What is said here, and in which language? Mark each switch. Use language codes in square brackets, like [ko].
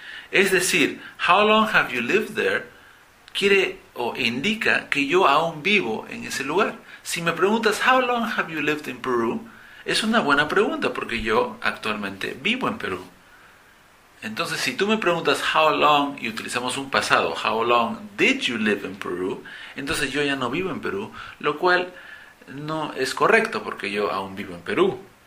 [es] Es decir, [en] how long have you lived there? [es] Quiere o indica que yo aún vivo en ese lugar. Si me preguntas, [en] how long have you lived in Peru? [es] Es una buena pregunta porque yo actualmente vivo en Perú. Entonces, si tú me preguntas [en] how long [es] y utilizamos un pasado, [en] how long did you live in Peru, [es] entonces yo ya no vivo en Perú, lo cual no es correcto porque yo aún vivo en Perú.